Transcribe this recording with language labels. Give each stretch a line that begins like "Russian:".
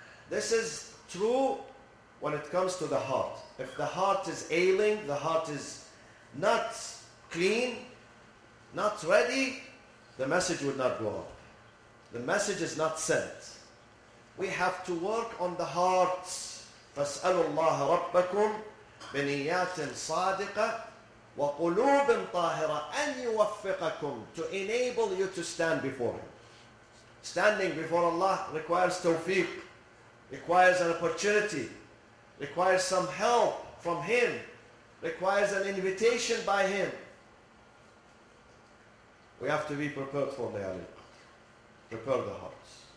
English: This is true when it comes to the heart. If the heart is ailing, the heart is not clean, not ready, the message would not go up. The message is not sent. We have to work on the heart.
Arabic: فَاسْأَلُوا اللَّهَ رَبَّكُمْ بِنِيَّاتٍ صَادِقَةٍ وَقُلُوبٍ طَاهِرَةٍ أَنْ يُوَفِّقَكُمْ,
English: to enable you to stand before Him. Standing before Allah requires tawfiq, requires an opportunity, requires some help from Him, requires an invitation by Him. We have to be prepared for the Laylatul Qadr. Prepare the hearts.